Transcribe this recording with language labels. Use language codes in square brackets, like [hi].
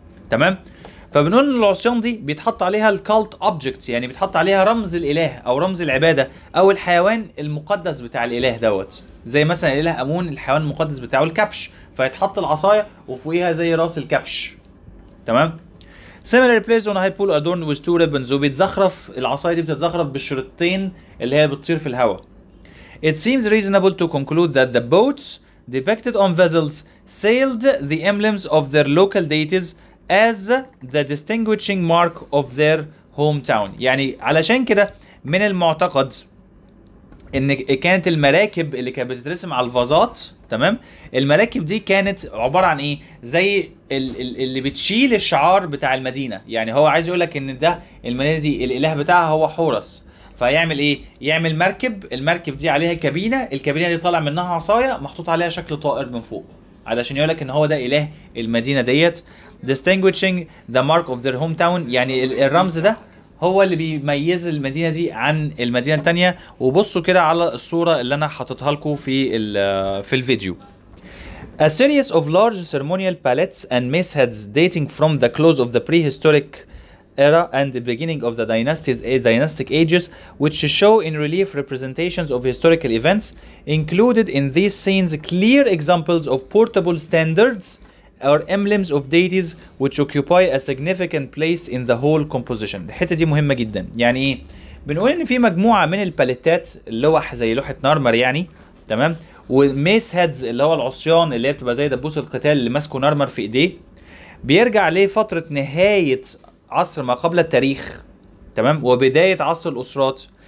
[ar] تمام؟ فبنقول ان العصيان دي بيتحط عليها الكالت اوبجكت، يعني بيتحط عليها رمز الاله او رمز العباده او الحيوان المقدس بتاع الاله دوت، زي مثلا الاله امون الحيوان المقدس بتاعه الكبش، فيتحط العصايه وفوقيها زي راس الكبش. تمام؟ [en] similar place on a high pole adorned with two ribbons، [ar] وبيتزخرف العصايه دي بتتزخرف بالشريطين اللي هي بتطير في الهواء. [en] It seems reasonable to conclude that the boats depicted on vessels sailed the emblems of their local deities as the distinguishing mark of their hometown. [ar] يعني علشان كده من المعتقد ان كانت المراكب اللي كانت بتترسم على الفازات، تمام، المراكب دي كانت عبارة عن ايه؟ زي اللي بتشيل الشعار بتاع المدينة. يعني هو عايز يقولك ان ده المدينة دي الاله بتاعها هو حورس، فيعمل ايه؟ يعمل مركب، المركب دي عليها كابينة، الكابينة دي طالع منها عصاية محطوط عليها شكل طائر من فوق، علشان يقولك ان هو ده اله المدينة ديت. [en] distinguishing the mark of their hometown، [ar] يعني الرمز ده هو اللي بيميز المدينة دي عن المدينة التانية. وبصوا كده على الصورة اللي انا حاططها لكم في الفيديو. [en] A series of large ceremonial palettes and mace heads dating from the close of the prehistoric era and the beginning of the dynastic ages, which show in relief representations of historical events, included in these scenes clear examples of portable standards or emblems of deities which occupy a significant place in the whole composition. [ar] الحته دي مهمه جدا. يعني ايه؟ بنقول ان في مجموعه من الباليتات، اللوح زي لوحه نارمر يعني، تمام، والميس هيدز اللي هو العصيان اللي هي بتبقى زي دبوس القتال اللي ماسكه نارمر في ايديه، بيرجع ليه فتره نهايه عصر ما قبل التاريخ، تمام، وبدايه عصر الاسرات.